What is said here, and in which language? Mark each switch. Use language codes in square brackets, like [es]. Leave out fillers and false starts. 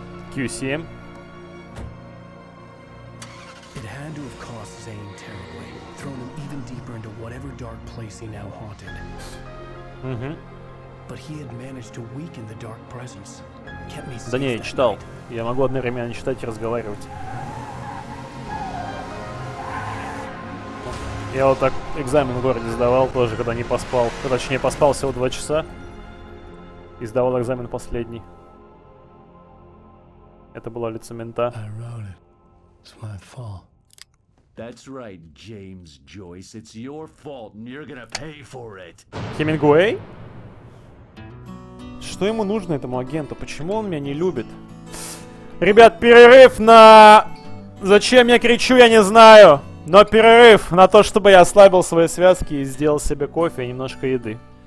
[en] QCM. It had to have cost Zane terribly, thrown him even deeper into whatever dark place he now haunted. Mm-hmm. But he had managed to weaken the dark presence, kept me safe. [ru] Да не, я читал. Я могу одновременно читать и разговаривать. Я вот так экзамен в городе сдавал тоже, когда не поспал. Точнее, поспал всего 2 часа. И сдавал экзамен последний. Это было лицо мента. [en] It's my fault. That's right, James Joyce. It's your fault, and you're gonna pay for it. [ru] Хемингуэй? Что ему нужно этому агенту? Почему он меня не любит? Ребят, перерыв на... Зачем я кричу, я не знаю. Но перерыв на то, чтобы я ослабил свои связки и сделал себе кофе и немножко еды.